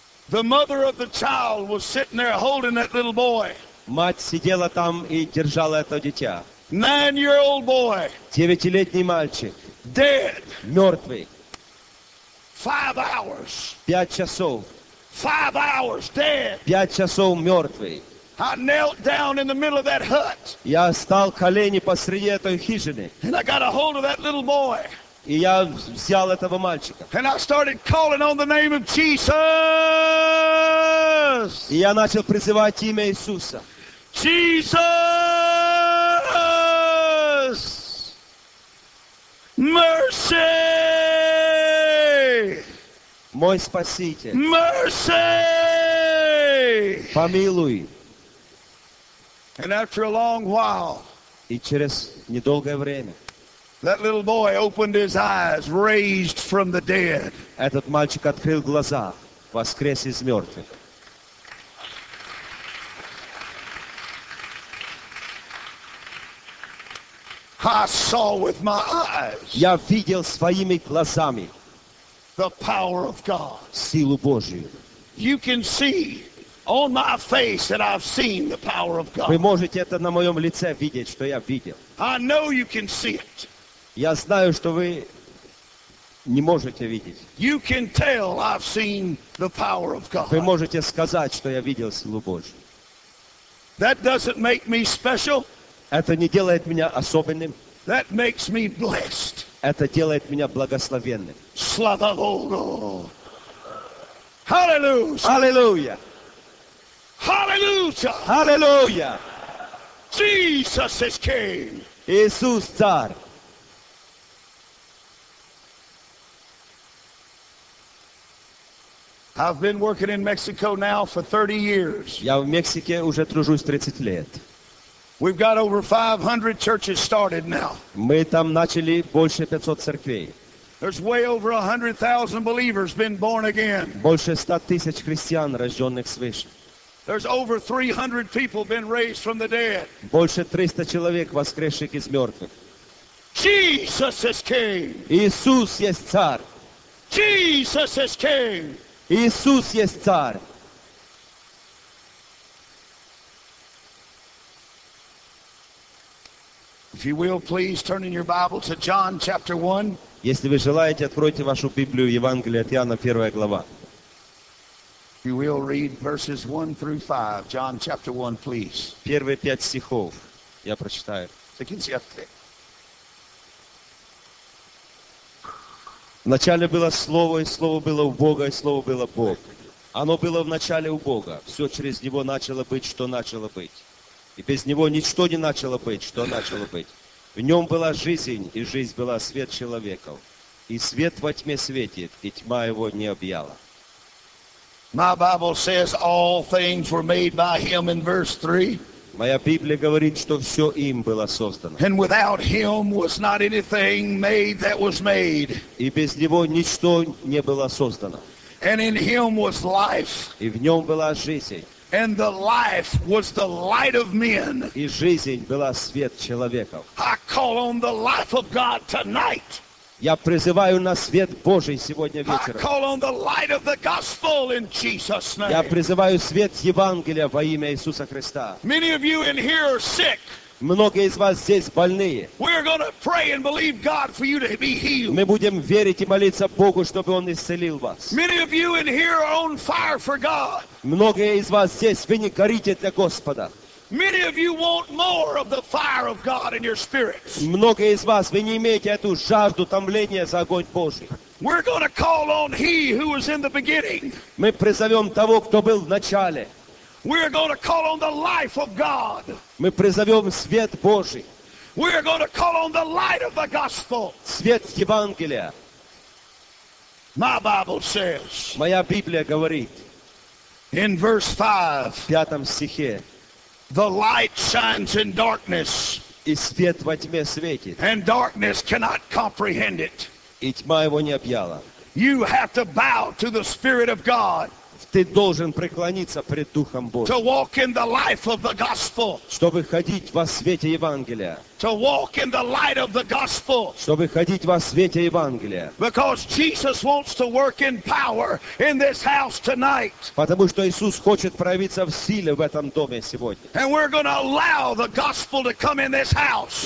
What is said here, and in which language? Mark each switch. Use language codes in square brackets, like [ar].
[en] The mother of the child was sitting there holding that little boy. [ru] Мать сидела там и держала это дитя. [en] 9-year-old boy. [ru] 9-летний мальчик. [en] Dead. [ru] Мертвый. [en] 5 hours. [ru] 5 часов. [en] 5 hours dead. [ru] 5 часов мертвый. [en] I knelt down in the middle of that hut. [ru] Я стал колени посреди этой хижины. [en] And I got a hold of that little boy. [ru] И я взял этого мальчика. [en] And I started calling on the name of Jesus. [ru] И я начал призывать имя Иисуса. [en] Jesus, mercy, [ru] мой спаситель, [en] mercy, [ru] помилуй. [en] And after a long while, [ru] и через недолгое время, [en] that little boy opened his eyes, raised from the dead. [ru] Этот мальчик открыл глаза, воскрес из мертвых. [en] I saw with my eyes. [ru] Я видел своими глазами. [en] The power of God. [ru] Силу Божию. [en] You can see on my face that I've seen the power of God. [ru] Вы можете это на моем лице видеть, что я видел. [en] I know you can see it. [ru] Я знаю, что вы не можете видеть. [en] You can tell I've seen the power of God. [ru] Вы можете сказать, что я видел силу Божию. [en] That doesn't make me special. [ru] Это не делает меня особенным. [en] That makes me blessed. [ru] Это делает меня благословенным. Слава Богу! Hallelujah! [en] Hallelujah! Hallelujah! Hallelujah! Jesus is King. [ru] Иисус царь. [en] I've been working in Mexico now for 30 years. [ru] Я в Мексике уже тружусь 30 лет. [en] We've got over 500 churches started now. [ru] Мы там начали больше 500 церквей. [en] There's way over 100,000 believers been born again. [ru] Больше 100 тысяч христиан рожденных свыше. [en] There's over 300 people been raised from the dead. [ru] Больше 300 человек воскресших из мертвых. [en] Jesus is King. [ru] Иисус есть царь. [en] Jesus is King. [ru] Иисус есть царь. [en] If you will, please turn in your Bible to John chapter 1. [ru] Если вы желаете, откройте вашу Библию, Евангелие от Иоанна, 1 глава. [en] If you will, read verses 1 through 5, John chapter 1, please. [ru] Первые 5 стихов я прочитаю. Вначале было Слово, и Слово было у Бога, и Слово было Бог. Оно было в начале у Бога. Все через Него начало быть, что начало быть. И без Него ничто не начало быть, что начало быть. В Нем была жизнь, и жизнь была свет человеков. И свет во тьме светит, и тьма его не объяла. [en] My Bible says all things were made by Him in verse 3. [ru] Моя Библия говорит, что все им было создано. [en] And without Him was not anything made that was made. [ru] И без Него ничто не было создано. [en] And in Him was life. [ru] И в Нем была жизнь. [en] And the life was the light of men. [ru] И жизнь была свет человеков. [en] I call on the life of God tonight. [ru] Я призываю на свет Божий сегодня вечером. [en] I call on the light of the gospel in Jesus' name. [ru] Я призываю свет Евангелия во имя Иисуса Христа. [en] Many of you in here are sick. [ru] Многие из вас здесь больные. [en] We're going to pray and believe God for you to be healed. [ru] Мы будем верить и молиться Богу, чтобы Он исцелил вас. [en] Many of you in here are on fire for God. [ru] Многие из вас здесь, вы не горите для Господа. [en] Many of you want more of the fire of God in your spirits. [ru] Многие из вас, вы не имеете эту жажду томления за огонь Божий. [en] We're going to call on He who was in the beginning. [ru] Мы призовем того, кто был в начале. [en] We're going to call on the life of God. [ru] Мы призовем свет Божий. [en] We're going to call on the light of the gospel. [ru] Свет Евангелия. [en] My Bible says. [ru] Моя Библия говорит. [en] In verse 5. [ru] В пятом стихе. [en] The light shines in darkness. [ru] И свет во тьме светит. [en] And darkness cannot comprehend it. [ru] И тьма его не объяла. [en] You have to bow to the Spirit of God. [ru] Ты должен преклониться пред Духом Божьим. [en] To walk in the life of the gospel. [ru] Чтобы ходить во свете Евангелия. [en] To walk in the light of the gospel. [ru] Чтобы ходить во свете Евангелия. [en] Because Jesus wants to work in power in this house tonight. [ru] Потому что Иисус хочет проявиться в силе в этом доме сегодня. [en] And we're going to allow the gospel to come in this house.